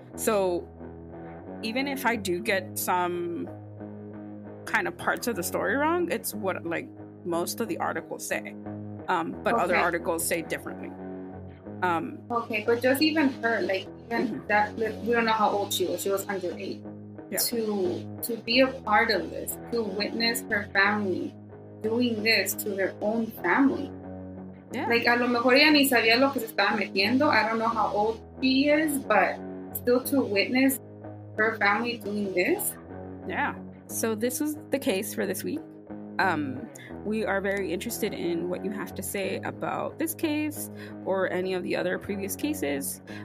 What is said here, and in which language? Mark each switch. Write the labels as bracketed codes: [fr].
[en] So even if I do get some kind of parts of the story wrong, it's what like most of the articles say, but other articles say differently. But just even her, like, even that, we don't know how old she was, under 8. Yeah. To be a part of this, to witness her family doing this to their own family. Yeah. [es] Like, a lo mejor ella ni sabía lo que se estaba metiendo. [en] I don't know how old she is, but still to witness her family doing this. Yeah. So this was the case for this week. We are very interested in what you have to say about this case or any of the other previous cases.